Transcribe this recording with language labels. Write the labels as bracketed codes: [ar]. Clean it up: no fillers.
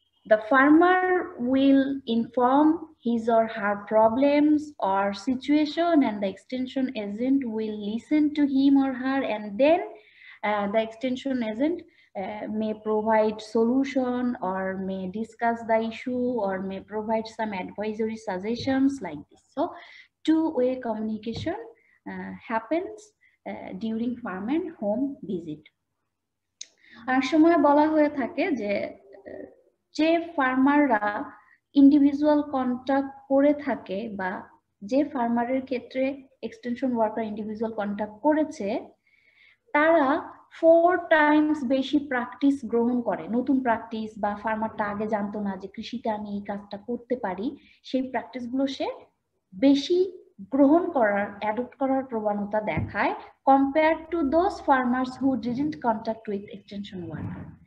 [en] The farmer will inform his or her problems or situation, and the extension agent will listen to him or her, and then the extension agent may provide solution or may discuss the issue or may provide some advisory suggestions, like this. So two-way communication happens during farm and home visit. [bn] অনেক সময় বলা হয়ে থাকে যে ফার্মাররা individual contact করে থাকে, বা যে ফার্মারের ক্ষেত্রে এক্সটেনশন ওয়ার্কার ইন্ডিভিজুয়াল কন্ট্যাক্ট করেছে, তারা 4 times বেশি প্র্যাকটিস গ্রহণ করে, নতুন প্র্যাকটিস, বা ফার্মারটা আগে জানতো না যে কৃষিতে আমি এই কাজটা করতে পারি, সেই প্র্যাকটিসগুলো সে বেশি গ্রহণ করার, অ্যাডপ্ট করার প্রবণতা দেখায় [en] Compare to those farmers who didn't contact with extension worker.